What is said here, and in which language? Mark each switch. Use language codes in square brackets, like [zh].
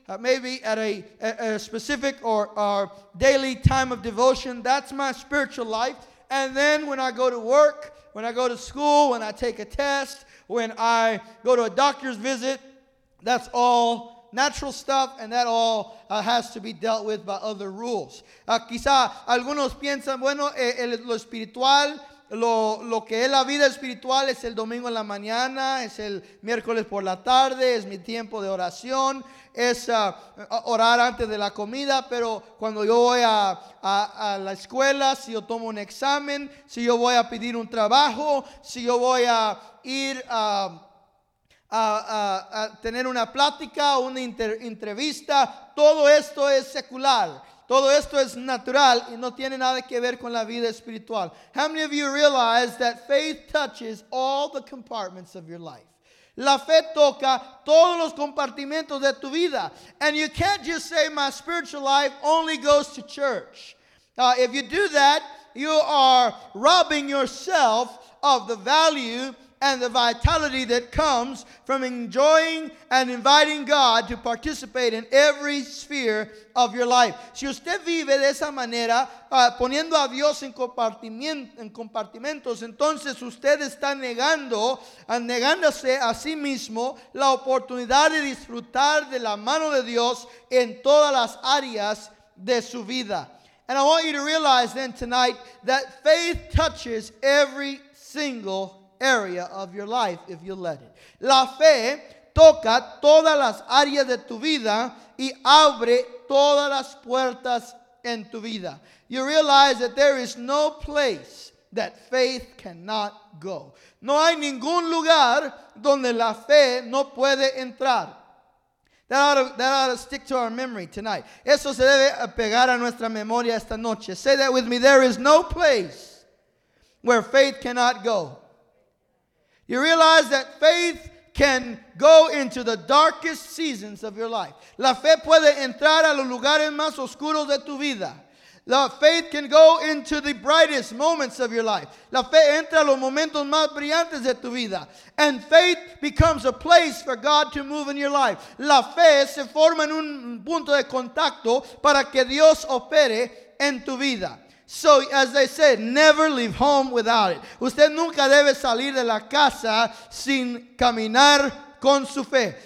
[en] Maybe at a specific or our daily time of devotion, that's my spiritual life. And then when I go to work, when I go to school, when I take a test, when I go to a doctor's visit, that's all natural stuff, and that all has to be dealt with by other rules. [es] Quizá algunos piensan, bueno, lo espiritual, lo que es la vida espiritual es el domingo en la mañana, es el miércoles por la tarde, es mi tiempo de oración, es orar antes de la comida, pero cuando yo voy a la escuela, si yo tomo un examen, si yo voy a pedir un trabajo, si yo voy a ir a tener una plática, una entrevista, todo esto es secular. Todo esto es natural y no tiene nada que ver con la vida espiritual. [en] How many of you realize that faith touches all the compartments of your life? [es] La fe toca todos los compartimentos de tu vida. [en] And you can't just say my spiritual life only goes to church. If you do that, you are robbing yourself of the value and the vitality that comes from enjoying and inviting God to participate in every sphere of your life. [es] Si usted vive de esa manera, poniendo a Dios en compartimentos, entonces usted está negándose a sí mismo la oportunidad de disfrutar de la mano de Dios en todas las áreas de su vida. [en] And I want you to realize then tonight that faith touches every single area of your life if you let it. [es] La fe toca todas las áreas de tu vida y abre todas las puertas en tu vida. [en] You realize that there is no place that faith cannot go. [es] No hay ningún lugar donde la fe no puede entrar. [en] That ought to stick to our memory tonight. [es] Eso se debe pegar a nuestra memoria esta noche. [en] Say that with me. There is no place where faith cannot go. You realize that faith can go into the darkest seasons of your life. [es] La fe puede entrar a los lugares más oscuros de tu vida. [en] La faith can go into the brightest moments of your life. [es] La fe entra a los momentos más brillantes de tu vida. [en] And faith becomes a place for God to move in your life. [es] La fe se forma en un punto de contacto para que Dios opere en tu vida. [en] So, as they said, never leave home without it. [es] Usted nunca debe salir de la casa sin caminar con su fe.